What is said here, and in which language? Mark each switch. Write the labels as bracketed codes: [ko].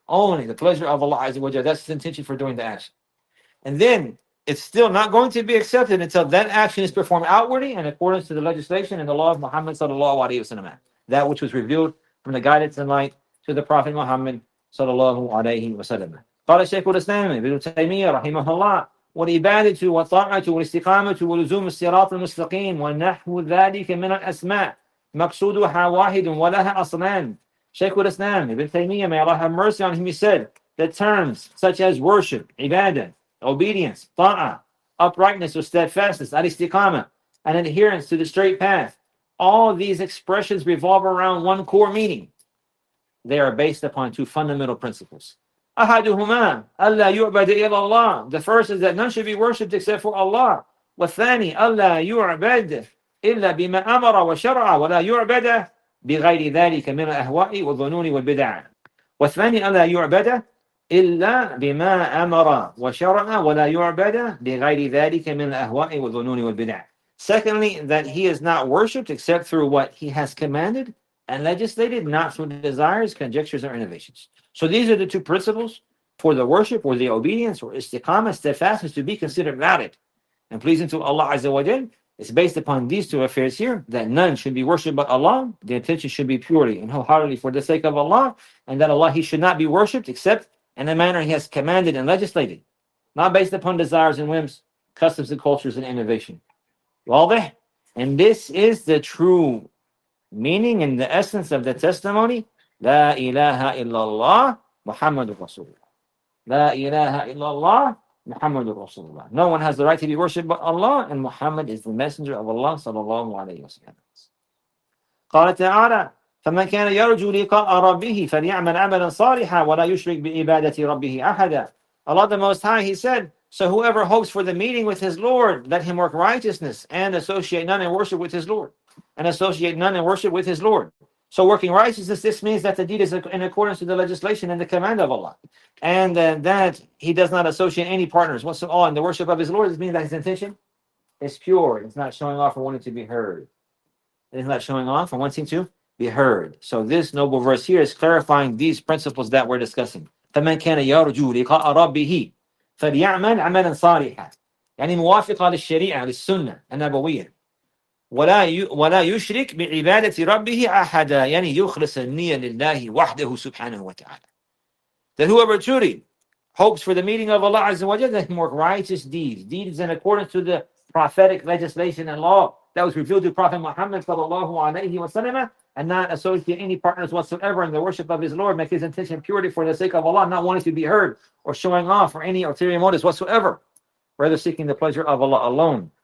[en] Only the pleasure of Allah Azza wa Jalla. That's the intention for doing the action. And then it's still not going to be accepted until that action is performed outwardly in accordance to the legislation and the law of Muhammad sallallahu alayhi wa sallam, that which was revealed from the guidance and light to the Prophet Muhammad sallallahu alayhi wa sallam. [ar] قال الشيخ الإسلام ابن تيمية رحمه الله والعبادة والطاعة والاستقامة ولزوم الصراط المستقيم ونحو ذلك من الأسماء مقصودها واحد ولها أصلان. [en] شيخ الإسلام ابن تيمية may Allah have mercy on him, he said that terms such as worship, ibadah, obedience, ta'ah, uprightness or steadfastness, al-istiqamah, and adherence to the straight path, all these expressions revolve around one core meaning. They are based upon two fundamental principles. [ar] أحدهما ألا يعبد إلا الله. [en] The first is that none should be worshipped except for Allah. [ar] والثاني ألا يعبد إلا بما أمر وشرع ولا يعبد بغير ذلك من الأهواء والظنون والبدع. والثاني ألا يعبد إلا بما أمر وشرع ولا يعبد بغير ذلك من الأهواء والظنون والبدع. [en] Secondly, that he is not worshipped except through what he has commanded and legislated, not through desires, conjectures, or innovations. So these are the two principles for the worship or the obedience or istiqamah, steadfastness, to be considered valid and pleasing to Allah Azza wa Jal. It's based upon these two affairs here, that none should be worshipped but Allah. The intention should be purely and wholeheartedly for the sake of Allah, and that Allah, he should not be worshipped except in the manner he has commanded and legislated, not based upon desires and whims, customs and cultures and innovation. [ar] واضح. [en] And this is the true meaning and the essence of the testimony, [ar] لا إله إلا الله محمد رسول الله. لا إله إلا الله محمد رسول الله. [en] No one has the right to be worshipped but Allah, and Muhammad is the messenger of Allah [ar] صلى الله عليه وسلم. قال تعالى فمن كان يرجو لقاء ربه فليعمل عملا صالحا ولا يشرك بعبادة ربه أحدا. [en] Allah the Most High, he said, so whoever hopes for the meeting with his Lord, let him work righteousness and associate none in worship with his Lord. And associate none in worship with his Lord. So working righteousness, this means that the deed is in accordance to the legislation and the command of Allah. And that he does not associate any partners whatsoever in the worship of his Lord. This means that his intention is pure. It's not showing off or wanting to be heard. It's not showing off or wanting to be heard. So this noble verse here is clarifying these principles that we're discussing. [ar] فَمَنْ كَانَ يَرْجُوا لِقَاءَ رَبِّهِ فَلْيَعْمَلْ عَمَلًا صَالِحًا يعني موافقة للشريعة للسنة النبوية ولا يشرك بعبادة ربه أحدا يعني يخلص النية لله وحده سبحانه وتعالى. [en] That whoever truly hopes for the meeting of Allah Azza wa Jalla, let him work righteous deeds, deeds in accordance to the prophetic legislation and law that was revealed to Prophet Muhammad sallallahu alaihi wasallam, and not associate any partners whatsoever in the worship of his Lord, make his intention purity for the sake of Allah, not wanting to be heard or showing off or any ulterior motives whatsoever, rather seeking the pleasure of Allah alone.